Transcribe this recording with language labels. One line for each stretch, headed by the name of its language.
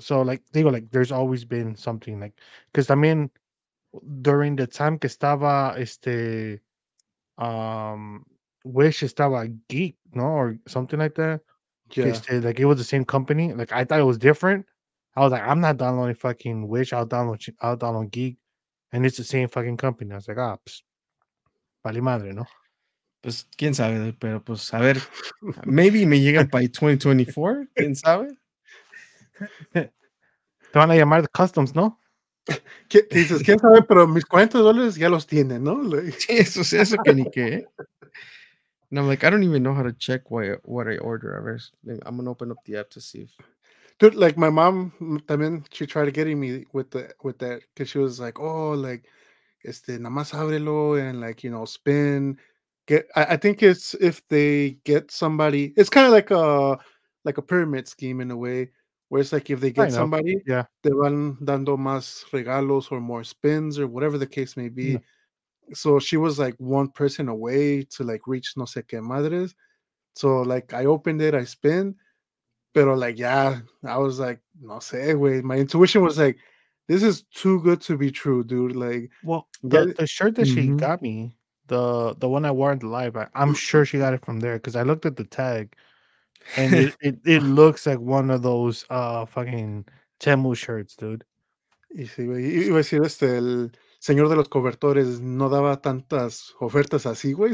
English: So like digo, like there's always been something like because también during the time que estaba Wish estaba Geek, no, or something like that. Yeah. Like it was the same company. Like I thought it was different. I was like, I'm not downloading fucking Wish. I'll download Geek, and it's the same fucking company.
Spanish: I was like, ah, pues, vale madre, no. Pues quién sabe, pero pues a ver, maybe me llegan by 2024. Quién sabe. Te van a llamar the customs, no? ¿Qué, dices quién sabe, pero mis $40 ya los tienen, no? Sí, eso que ni qué.
English: And I'm like, I don't even know how to check what I order. I'm gonna open up the app to see. Dude, like my mom, también she tried getting me with that because she was like, oh, like,
Spanish: nada más ábrelo
English: and like, you know, spin. I think it's if they get somebody, it's kind of like a pyramid scheme in a way, where it's like if they get somebody, yeah, they
Spanish: van dando más regalos
English: or more spins or whatever the case may be. Yeah. So she was like one person away to like reach
Spanish: no sé qué madres.
English: So like I opened it, I spin,
Spanish: pero like yeah, I was like no sé, güey.
English: My intuition was like, this is too good to be true, dude. Like, well, the shirt that mm-hmm. she got me, the one I wore in the live, I'm sure she got it from there because I looked at the tag, and it looks like one of those fucking Temu shirts, dude.
Spanish: Y sí, güey. Y iba a decir el Señor de los Cobertores no daba tantas ofertas así, güey.